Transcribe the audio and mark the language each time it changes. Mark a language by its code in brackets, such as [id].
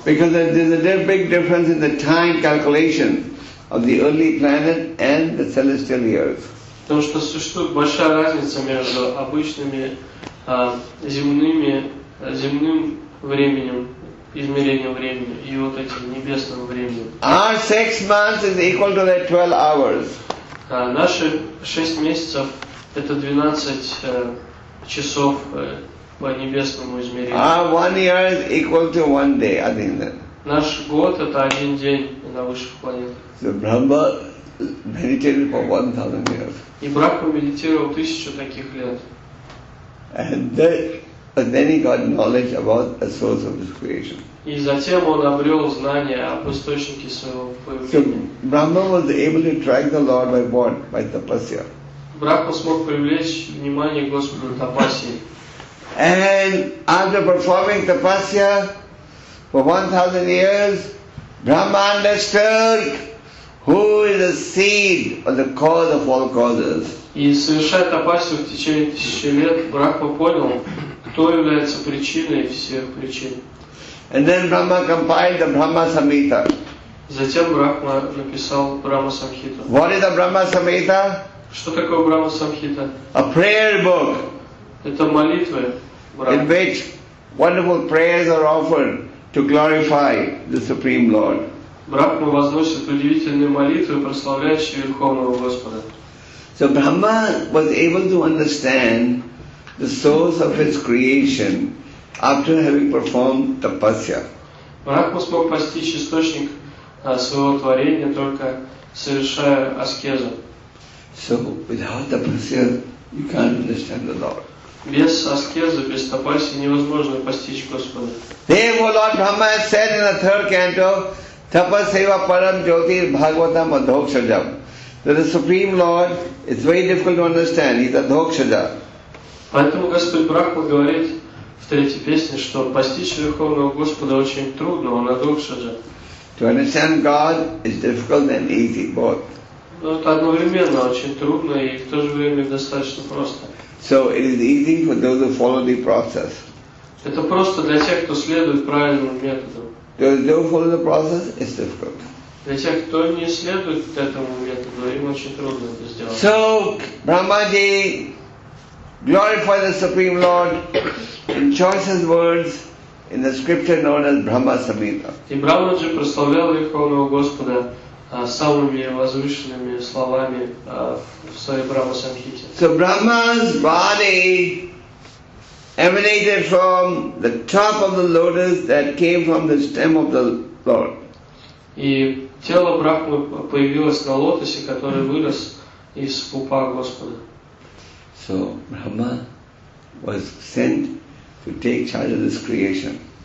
[en] Because there's a very big difference in the time calculation of the early planet and the celestial years. [ru] Потому что существует большая разница между обычными земным временем, измерением времени, и вот этим небесным временем. [en] Our 6 months is equal to their 12 hours. [ru] Наши 6 месяцев это 12 часов по небесному измерению. [en] Our 1 year is equal to 1 day, I think that. [ru] Наш год это 1 день на высших планетах. [en] So Brahma meditated for 1,000 years. [ru] И Брахма медитировал 1,000 таких лет. [en] And then he got knowledge about the source of his creation. [ru] И затем он обрел знание об источнике своего появления. [en] So Brahma was able to attract the Lord by what? By tapasya. [ru] Брахма смог привлечь внимание Господа тапасьей. [en] And after performing tapasya for 1,000 years, Brahma understood who is the seed or the cause of all causes. [ru] И совершая тапасию в течение тысячи лет, Брахма понял, кто является причиной всех причин. [en] And then Brahma compiled the Brahma Samhita. [ru] Затем Брахма написал Брахма Самхиту. [en] What is the Brahma Samhita? [ru] Что такое Брахма Самхита? [en] A prayer book. [ru] Это молитвы. [en] In which wonderful prayers are offered to glorify the Supreme Lord. [ru] Брахма возносит удивительные молитвы, прославляющие Верховного Господа. [en] So Brahma was able to understand the source of his creation after having performed tapasya. [ru] Брахма смог постичь источник своего творения, только совершая аскезу. [en] So without tapasya, you can't understand the Lord. [ru] Без аскезы, без тапаси невозможно постичь Господа. [en] Therefore, Lord Brahma has said in the 3rd canto, [sa] Tapaseva Param Jyotir Bhagavata Madhokshaja. [en] So the Supreme Lord is very difficult to understand. He's a Dhokshaja. [ru] Поэтому Господь Брахма говорит в 3-й песне, что постичь Верховного Господа очень трудно, он Адхокшаджа. [en] To understand God is difficult and easy both. [ru] Но это одновременно очень трудно и в то же время достаточно просто. [en] So it is easy for those who follow the process. [ru] Это просто для тех, кто следует правильным методам. [en] Those who don't follow the process, it's difficult. [ru] Для тех, кто не следует этому методу, им очень трудно это сделать. [en] So, Brahmaji glorified the Supreme Lord in choicest words in the scripture known as Brahma Samhita. [ru] И Брахма же прославлял Верховного Господа самыми возвышенными словами в своей Брахма Самхите. [en] So Brahma's body emanated from the top of the lotus that came from the stem of the Lord. [ru] И тело Брахмы появилось на лотосе, который вырос из пупа Господа. [en] So Brahma was sent to take charge of this creation.